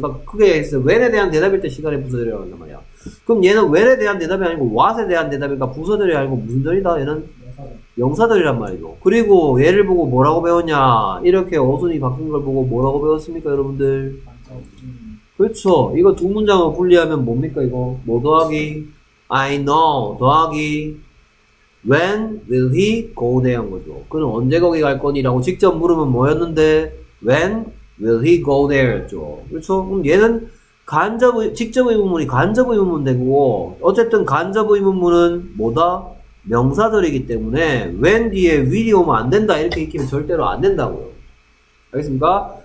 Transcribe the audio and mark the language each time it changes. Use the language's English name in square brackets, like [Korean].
[Korean] 그러니까 크게 얘기해서 When에 대한 대답일 때 시간의 부사절이라고 한단 말이야. 그럼 얘는 When에 대한 대답이 아니고 What에 대한 대답이니까 부사절이 아니고 무슨 절이다? 얘는 영사들이란 말이죠. 그리고 얘를 보고 뭐라고 배웠냐. 이렇게 어순이 바뀐 걸 보고 뭐라고 배웠습니까 여러분들? 그렇죠. 이거 두 문장을 분리하면 뭡니까 이거? 뭐 더하기? [English] I know [Korean] 더하기 [English] When will he go there 거죠. [Korean] 그는 언제 거기 갈 거니라고 직접 물으면 뭐였는데? [English] When will he go there [Korean] 였죠. 그렇죠. 그럼 얘는 간접의, 직접의 문문이 간접의 문문 되고, 어쨌든 간접의 문문은 뭐다? 명사절이기 때문에 when 뒤에 will이 오면 안 된다 이렇게 읽히면 절대로 안 된다고요. 알겠습니까?